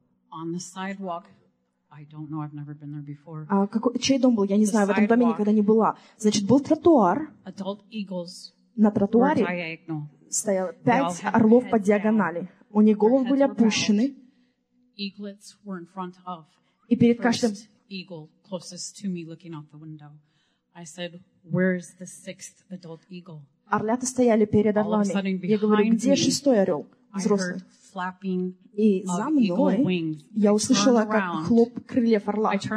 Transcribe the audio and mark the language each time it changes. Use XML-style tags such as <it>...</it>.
<en>On the sidewalk. I don't know. I've never been there before.</en> <ru>А какой, чей дом был? Я не знаю. В этом доме никогда не была. Значит, был тротуар.</ru> <en>Adult eagles.</en> <ru>На тротуаре стояло пять орлов по диагонали. У них головы были опущены.</ru> <en>Eaglets were in front of.</en> <ru>И перед каждым</ru> <en>eagle closest to me looking out the window. I said, "Where's the sixth adult eagle?"</en> <ru>Орлята стояли перед орлами. Я говорю, где шестой орел? Взрослый. И за мной я услышала, как хлоп крыльев орла.</ru>